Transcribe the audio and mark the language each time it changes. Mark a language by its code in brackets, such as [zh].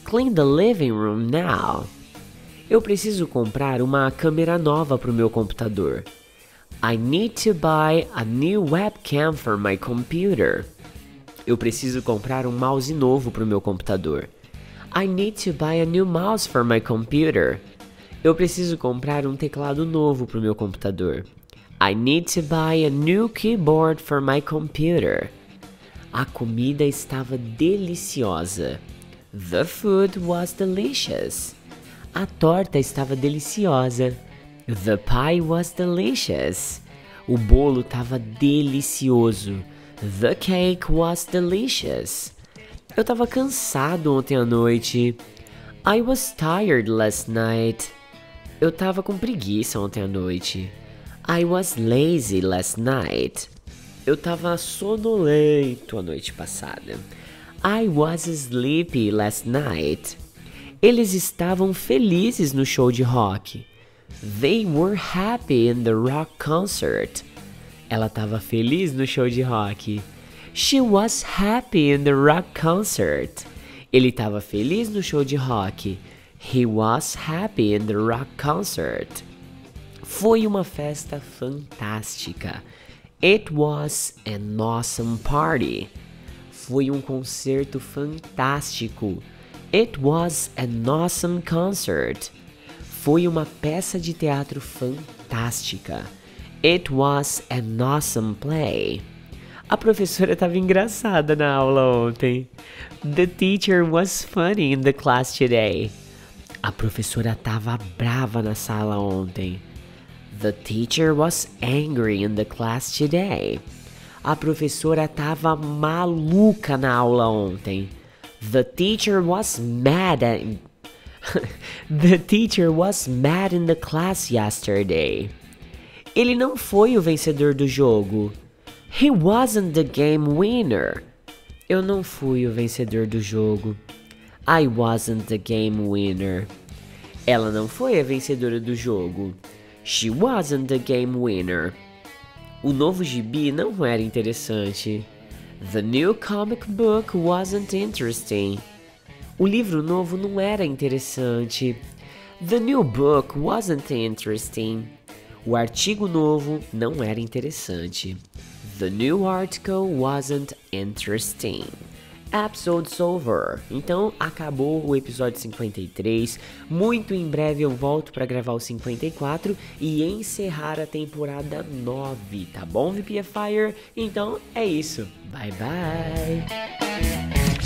[en] Clean the living room now! [pt] Eu preciso comprar uma câmera nova para o meu computador. [en] I need to buy a new webcam for my computer. [pt] Eu preciso comprar um mouse novo para o meu computador. [en] I need to buy a new mouse for my computer. [pt] Eu preciso comprar um teclado novo para o meu computador. [en] I need to buy a new keyboard for my computer. [pt] A comida estava deliciosa. [en] The food was delicious. [pt] A torta estava deliciosa. [en] The pie was delicious. [pt] O bolo estava delicioso. [en] The cake was delicious. [pt] Eu estava cansado ontem à noite. [en] I was tired last night. [pt] Eu tava com preguiça ontem à noite. [en] I was lazy last night. [pt] Eu tava sonolento a noite passada. [en] I was sleepy last night. [pt] Eles estavam felizes no show de rock. [en] They were happy in the rock concert. [pt] Ela tava feliz no show de rock. [en] She was happy in the rock concert. [pt] Ele tava feliz no show de rock. [en] He was happy in the rock concert. [pt] Foi uma festa fantástica. [en] It was an awesome party. [pt] Foi um concerto fantástico. [en] It was an awesome concert. [pt] Foi uma peça de teatro fantástica. [en] It was an awesome play. [pt] A professora estava engraçada na aula ontem. [en] The teacher was funny in the class today. [pt] A professora estava brava na sala ontem. [en] The teacher was angry in the class today. [pt] A professora estava maluca na aula ontem. [en] The teacher was mad at... The teacher was mad in the class yesterday. [pt] Ele não foi o vencedor do jogo. [en] He wasn't the game winner. [pt] Eu não fui o vencedor do jogo. [en] I wasn't the game winner. [pt] Ela não foi a vencedora do jogo. [en] She wasn't the game winner. [pt] O novo gibi não era interessante. [en] The new comic book wasn't interesting. [pt] O livro novo não era interessante. [en] The new book wasn't interesting. [pt] O artigo novo não era interessante. [en] The new article wasn't interesting. Episode's over. [pt] Então, acabou o episódio 53. Muito em breve eu volto pra gravar o 54 e encerrar a temporada 9, tá bom, VPFire? Então, é isso. [en] Bye, bye.